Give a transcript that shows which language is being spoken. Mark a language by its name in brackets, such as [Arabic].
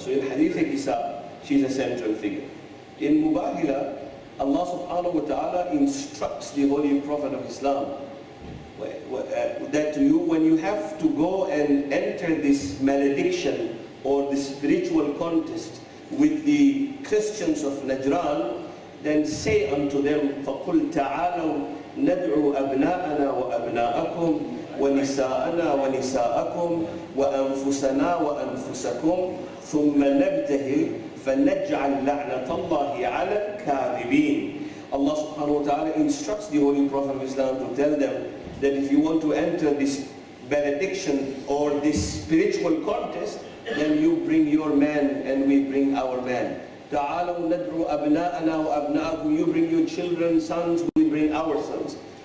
[English] So in Hadith al-Kisa, she is a central figure. In Mubahila, Allah subhanahu wa ta'ala instructs the Holy Prophet of Islam that you, when you have to go and enter this malediction or the spiritual contest with the Christians of Najran, then say unto them, [Arabic] فَقُلْ تَعَالَوْ نَدْعُوا أَبْنَاءَنَا وَأَبْنَاءَكُمْ وَنِسَاءَنَا وَنِسَاءَكُمْ وَأَنفُسَنَا وَأَنفُسَكُمْ ثُمَّ نَبْتَهِلْ فَنَجْعَلْ لَعْنَةَ اللَّهِ عَلَى الْكَاذِبِينَ. [English] Allah subhanahu wa ta'ala instructs the Holy Prophet of Islam to tell them that if you want to enter this benediction or this spiritual contest, then you bring your man and we bring our man. [Arabic] تَعَالَوْ نَدْرُوا أَبْنَاءَنَا وَأَبْنَاءَكُمْ. [English] You bring your children, sons, we bring our sons.